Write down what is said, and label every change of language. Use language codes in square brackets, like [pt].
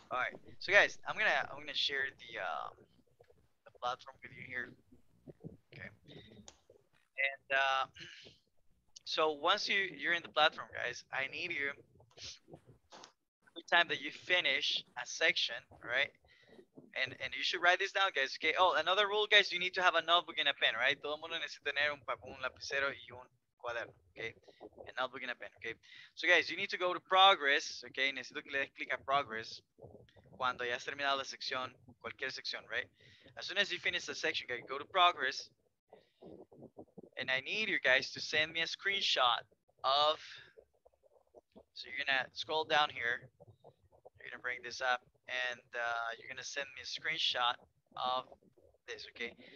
[en] All right, so guys, I'm gonna share the platform with you here, okay? And so once you're in the platform, guys, I need you, every time that you finish a section, right? And you should write this down, guys, okay? Oh, another rule, guys, you need to have a notebook and a pen, right? [es] Todo mundo necesita tener un papel, un lapicero y un cuaderno, okay? [en] A notebook and a pen, okay? So guys, you need to go to progress, okay? [es] Necesito que le des click a progress cuando ya has terminado la sección, cualquier sección, right? [en] As soon as you finish the section, okay, go to progress. And I need you guys to send me a screenshot of, so you're gonna scroll down here, you're gonna bring this up, and you're gonna send me a screenshot of this, okay?